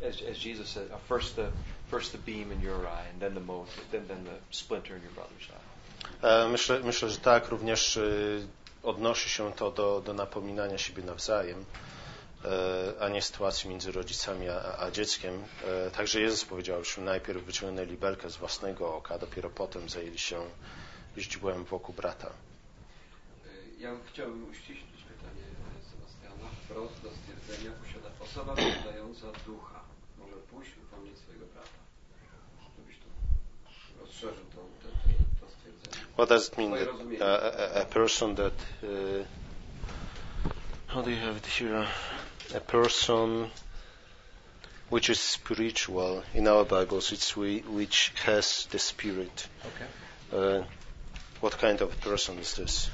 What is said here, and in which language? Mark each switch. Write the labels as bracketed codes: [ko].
[en] As Jesus said, first the beam in your eye and then the mote, then the splinter in your brother's eye. [pl] Myślę, że tak również odnosi się to do napominania siebie nawzajem, a nie sytuacji między rodzicami a dzieckiem. Także Jezus powiedział, że najpierw wyciągnęli belkę z własnego oka, a dopiero potem zajęli się źdźbłem wokół brata. Ja chciałbym uściślić pytanie Sebastiana wprost do stwierdzenia, posiada osoba posiadająca ducha. Może pójść upomnieć swojego brata. Żebyś to rozszerzył to stwierdzenie. [en] What does it mean that a person that... How do you have it here? A person which is spiritual, in our Bibles, it's which has the spirit. Okay. What kind of person is this?